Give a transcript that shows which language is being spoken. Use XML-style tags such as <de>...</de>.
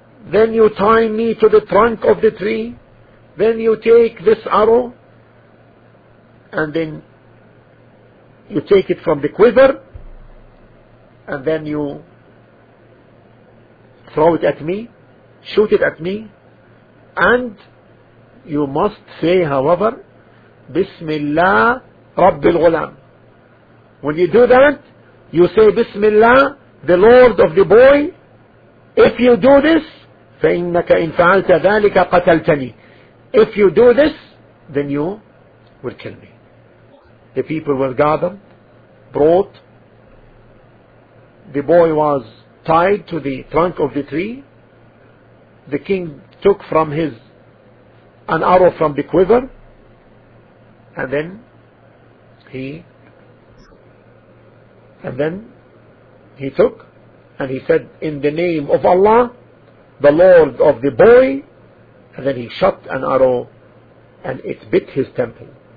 <en>Then you tie me to the trunk of the tree. Then you take this arrow, and then you take it from the quiver, and then you throw it at me, shoot it at me, and you must say, however,</en> <ar>Bismillah Rabbil Ghulam.</ar> <en>When you do that, you say, Bismillah, the Lord of the boy. If you do this,</en> <ar>فَإِنَّكَ إِنْ فَعَلْتَ ذَلِكَ قَتَلْتَنِي.</ar> <en>If you do this, then you will kill me. The people were gathered, brought, the boy was tied to the trunk of the tree, the king took from his an arrow from the quiver, and then he took and he said, in the name of Allah, the Lord of the boy, and then he shot an arrow and it bit his temple.</en>